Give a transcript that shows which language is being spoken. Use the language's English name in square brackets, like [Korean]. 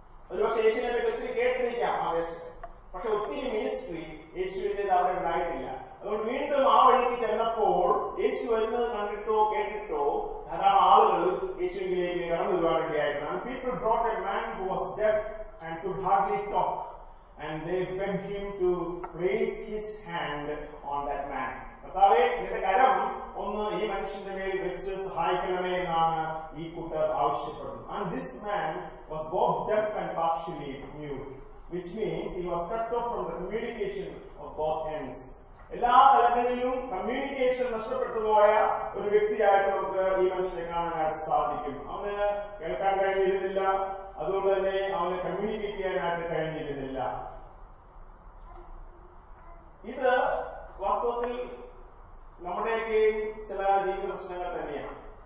[Malayalam] ഒരുപക്ഷെ യേശുവിനെ ഒത്തിരി കേട്ടിരിക്കാം ആ ദേശത്ത്, പക്ഷെ ഒത്തിരി മിനിസ്ട്രി യേശുവിന്റെ അവിടെ ഉണ്ടായിട്ടില്ല. അതുകൊണ്ട് വീണ്ടും ആ വഴിക്ക് ചെന്നപ്പോൾ യേശു വരുന്നത് കണ്ടിട്ടോ കേട്ടിട്ടോ ധാരാളം ആളുകൾ യേശുവിലേക്ക് കടന്നു വരുവാനിടയായിരുന്നു. [English] People brought a man who was deaf and could hardly talk. And they begged him to raise his hand on that man. [Malayalam] കർത്താവെ നിന്റെ കരം ഒന്ന് ഈ മനുഷ്യന്റെ മേൽ വെച്ച് സഹായിക്കണമേ എന്നാണ് ഈ കൂട്ടർ ആവശ്യപ്പെടുന്നത്. [English] And this man was both deaf and partially mute, which means he was cut off from the communication of both ends. [Malayalam] എല്ലാ തലങ്ങളിലും കമ്മ്യൂണിക്കേഷൻ നഷ്ടപ്പെട്ടുപോയ ഒരു വ്യക്തിയായിട്ട് നമുക്ക് ഈ മനുഷ്യനെ കാണാനായിട്ട് സാധിക്കും. അവന് കേൾക്കാൻ കഴിഞ്ഞിരുന്നില്ല, അതുകൊണ്ട് തന്നെ അവനെ കമ്മ്യൂണിക്കേറ്റ് ചെയ്യാനായിട്ട് കഴിഞ്ഞിരുന്നില്ല. ഇത് വാസ്തവത്തിൽ നമ്മുടെയൊക്കെയും ചില ജീവിത പ്രശ്നങ്ങൾ തന്നെയാണ്.